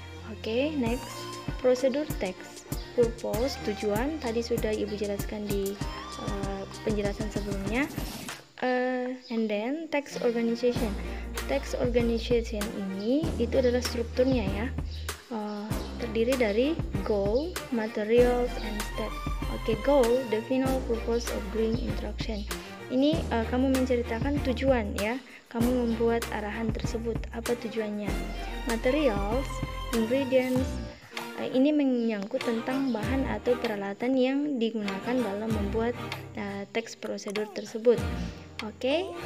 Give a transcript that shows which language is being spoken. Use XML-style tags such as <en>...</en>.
<id>Oke, next, procedure text. Purpose, tujuan, tadi sudah ibu jelaskan di penjelasan sebelumnya.</id> <en>And then, text organization. Text organization</en> <id>ini, itu adalah strukturnya ya. Terdiri dari goal, materials, and step.</id> <en>Oke, goal, the final purpose of doing instruction.</en> <id>Ini kamu menceritakan tujuan ya, kamu membuat arahan tersebut, apa tujuannya. Materials, ingredients, ini menyangkut tentang bahan atau peralatan yang digunakan dalam membuat teks prosedur tersebut. Oke, okay?</id>